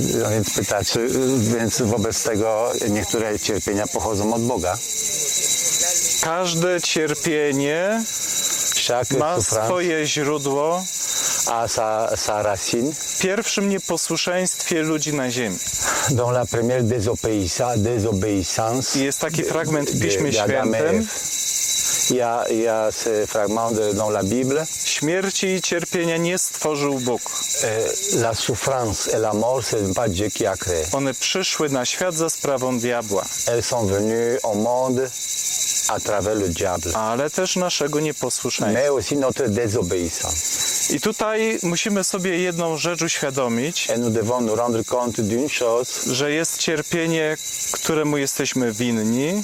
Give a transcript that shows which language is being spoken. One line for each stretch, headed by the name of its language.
Polish: Więc pytacie, więc wobec tego niektóre cierpienia pochodzą od Boga. Każde cierpienie ma swoje źródło,
French: a sa racine.
Polish: W pierwszym nieposłuszeństwie ludzi na ziemi.
French: Dans la première désobéissance.
Polish: Jest taki fragment w Piśmie Świętym.
French: Ja ce fragment dans la Bible.
Polish: Śmierci i cierpienia nie stworzył Bóg.
French: La souffrance et la mort, c'est pas Dieu qui a créé.
Polish: One przyszły na świat za sprawą diabła.
French: Elles sont venues au monde à travers le diable.
Polish: Ale też naszego nieposłuszeństwa.
French: Mais aussi notre désobéissance.
Polish: I tutaj musimy sobie jedną rzecz uświadomić,
French: et nous devons nous rendre compte d'une chose,
Polish: że jest cierpienie, któremu jesteśmy winni.